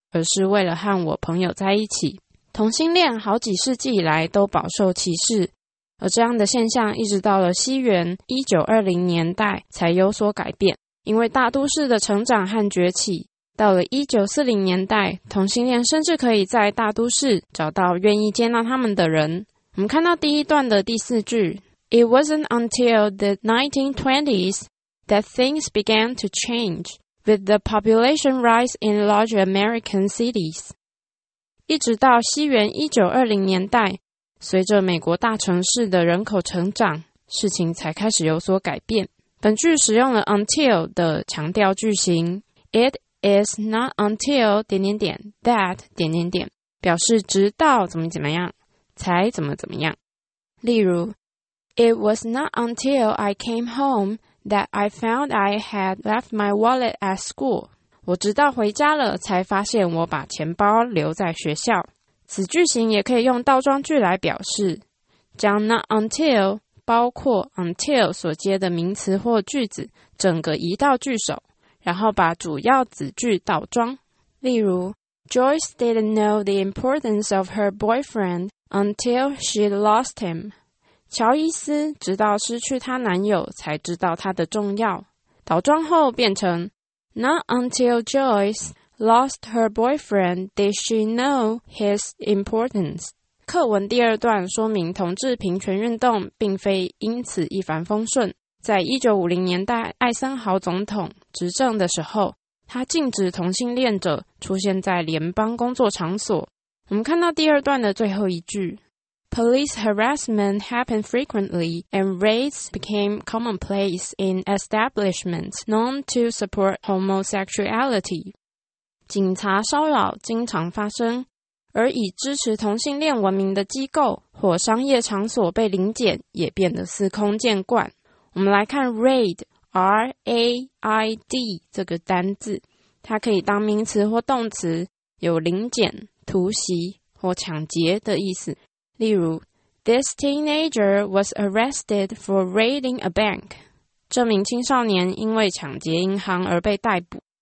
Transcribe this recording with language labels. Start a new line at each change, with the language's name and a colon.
Chinese: 而是为了和我朋友在一起。同性恋好几世纪以来都饱受歧视，而这样的现象一直到了西元1920年代才有所改变。因为大都市的成长和崛起，到了1940年代，同性恋甚至可以在大都市找到愿意接纳他们的人。我们看到第一段的第四句，
English: It wasn't until the 1920s that things began to change with the population rise in large American cities.
Chinese: 一直到西元1920年代，随着美国大城市的人口成长，事情才开始有所改变。本句使用了 until 的强调句型，
English: It is not until
Chinese: 点点点
English: that
Chinese: 点点点，表示直到怎么怎么样才怎么怎么样。例如，
English: It was not until I came home that I found I had left my wallet at school.
Chinese: 我直到回家了才发现我把钱包留在学校。此句型也可以用倒装句来表示，将 not until 包括 until 所接的名词或句子整个移到句首，然后把主要子句倒装。例如，
English: Joyce didn't know the importance of her boyfriend until she lost him.
Chinese: 乔伊斯直到失去她男友才知道她的重要。倒装后变成
English: not until Joyce lost her boyfriend did she know his importance.
Chinese: 课文第二段说明同志平权运动并非因此一帆风顺。在1950年代艾森豪总统执政的时候，他禁止同性恋者出现在联邦工作场所。我们看到第二段的最后一句，
English: Police harassment happened frequently and raids became commonplace in establishments known to support homosexuality.
Chinese: 警察骚扰经常发生，而以支持同性恋闻名的机构或商业场所被临检也变得司空见惯。我们来看 raid， R-A-I-D 这个单字，它可以当名词或动词，有临检、突袭或抢劫的意思。例如，
English: This teenager was arrested for raiding a bank.
Chinese: 这名青少年因为抢劫银行而被逮捕。